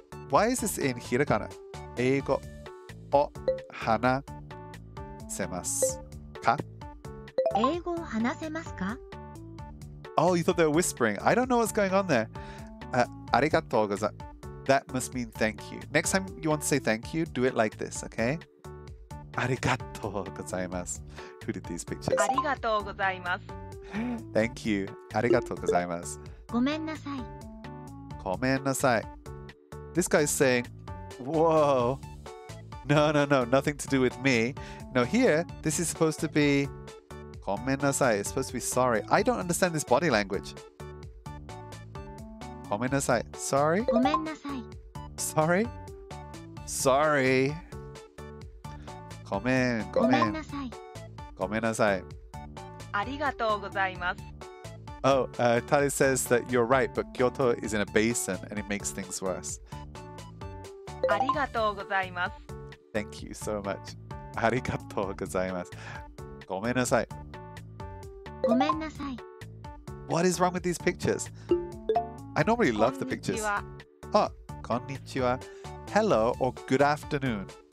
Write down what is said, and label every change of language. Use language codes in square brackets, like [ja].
[en] Why is this in hiragana? [ja] 英語。を話せますか? 英語を話せますか? [en] Oh, you thought they were whispering. I don't know what's going on there. [ja] ありがとうございます。 [en] That must mean thank you. Next time you want to say thank you, do it like this, okay? [ja] ありがとうございます。 [en] Who did these pictures? [ja] ありがとうございます。 [en] Thank you. [ja] ありがとうございます。ごめんなさい。ごめんなさい。 [en] This guy is saying, whoa! No, no, no, nothing to do with me. No, here, this is supposed to be... [ja] ごめんなさい, [en] it's supposed to be sorry. I don't understand this body language. [ja] ごめんなさい, [en] sorry? [ja] ごめんなさい. [en] Sorry? Sorry. [ja] ごめん, ごめん. ごめんなさい. ごめんなさい. ありがとうございます. [en] Oh, Tali says that you're right, but Kyoto is in a basin and it makes things worse. [ja] ありがとうございます。 [en] Thank you so much. [ja] ありがとうございます。ごめんなさい。ごめんなさい。 [en] What is wrong with these pictures? I normally love the pictures. [ja] こんにちは。 [en] Oh, [ja] こんにちは。 [en] Hello or good afternoon.